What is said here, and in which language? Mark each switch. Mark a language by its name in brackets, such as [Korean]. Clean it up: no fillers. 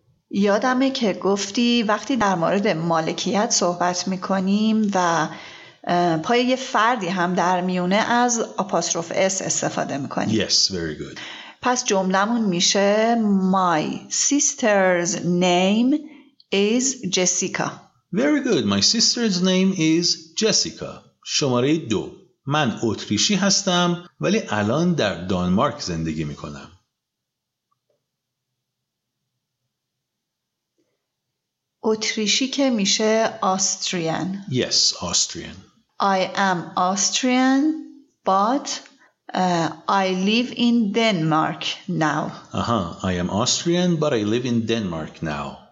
[Persian] یادمه که گفتی وقتی در مورد مالکیت صحبت میکنیم و پای یه فردی هم در میونه از آپاستروف اس استفاده میکنیم. [English] Yes, very good. [Persian] پس جملمون میشه [English] My sister's name is Jessica. Very good. My sister's name is Jessica. [Persian] شماره 2. من اتریشی هستم ولی الان در دانمارک زندگی میکنم. اتریشی که میشه Austrian. [English] Yes, Austrian. I am Austrian, but I live in Denmark now. I am Austrian, but I live in Denmark now.